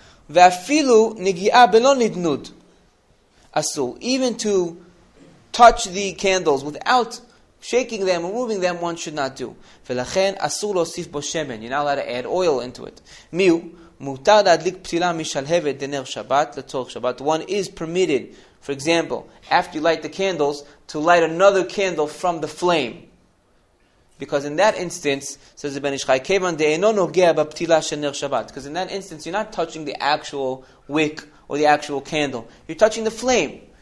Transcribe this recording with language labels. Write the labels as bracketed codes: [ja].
[he] Vafilu nigi'a belon nidnud. Asul. [en] Even to touch the candles without shaking them or moving them, one should not do. [he] ולכן אסור להוסיף בו שמן. [en] You're not allowed to add oil into it. [he] מיהו? מותר להדליק פתילה משלהבת דנר שבת, לצורך שבת. [en] One is permitted, for example, after you light the candles, to light another candle from the flame. Because in that instance, says the Ben Ish Chai, [he] כיוון דאינו נוגע בפתילה של נר שבת. [en] Because in that instance, you're not touching the actual wick or the actual candle. You're touching the flame.